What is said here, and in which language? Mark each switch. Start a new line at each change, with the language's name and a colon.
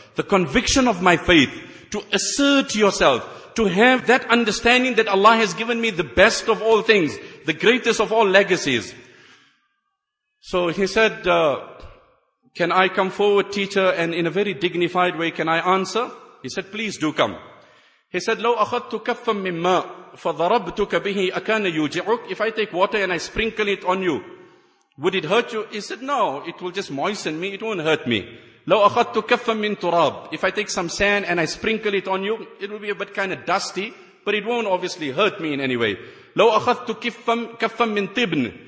English: The conviction of my faith, to assert yourself, to have that understanding that Allah has given me the best of all things, the greatest of all legacies. So he said, can I come forward, teacher, and in a very dignified way, can I answer? He said, please do come. He said,
Arabic: لَوْ أَخَذْتُ كَفًّا مِمَّا فَضَرَبْتُكَ بِهِ أَكَانَ يُوجِعُكَ.
English: If I take water and I sprinkle it on you, would it hurt you? He said, no, it will just moisten me, it won't hurt me.
Arabic: لَوْ أَخَذْتُ كَفًّا مِنْ تُرَابٍ.
English: If I take some sand and I sprinkle it on you, it will be a bit kind of dusty, but it won't obviously hurt me in any way.
Arabic: لَوْ أَخَذْتُ كَفًّا مِنْ تِبْنِ.